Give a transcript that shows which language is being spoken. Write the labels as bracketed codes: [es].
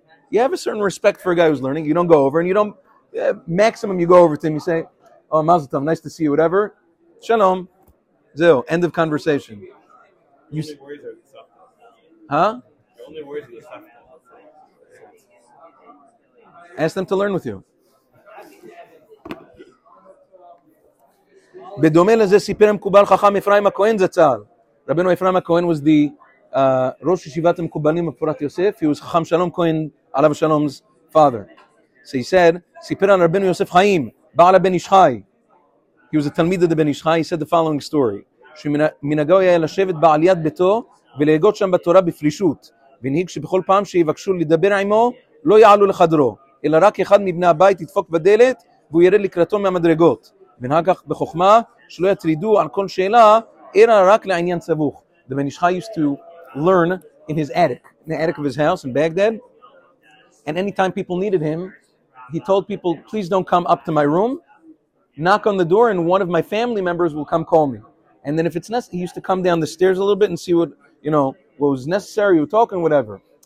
[en] You have a certain respect for a guy who's learning. You don't go over, and you don't, maximum you go over to him, you say, oh, mazel tov, nice to see you, whatever. Shalom. Zeo, end of conversation. You only worries are the stuff. Huh? Only worries are the stuff. Ask them to learn with you. [he] בדומה לזה סיפר המקובל חכם אפרים הכהן זצ"ל. רבנו אפרים הכהן [en] was the [he] ראש ישיבת המקובלים בפורת יוסף. [en] He was [he] חכם שלום כהן, עליו השלום's father. [en] So he said, [he] סיפר על רבנו יוסף חיים, בעל הבן איש חי. [en] He was a תלמיד of the בן איש חי. He said the following story. [he] שמנהגו היה לשבת בעליית ביתו ולהגות שם בתורה בפרישות. ונהיג שבכל פעם שיבקשו לדבר עמו, לא יעלו לחדרו, אלא רק אחד מבני הבית ידפוק בדלת והוא ירד לקראתו מהמדרגות. ונהג כך בחוכמה שלא יטרידו על כל שאלה, אלא רק לעניין סבוך. [en] The Ben Ishchai used to learn in his attic, in the attic of his house in Baghdad. And anytime people needed him, he told people, please don't come up to my room, knock on the door and one of my family members will come call me. And then if it's necessary, he used to come down the stairs a little bit and see what, you know, what was necessary, you were talking, whatever.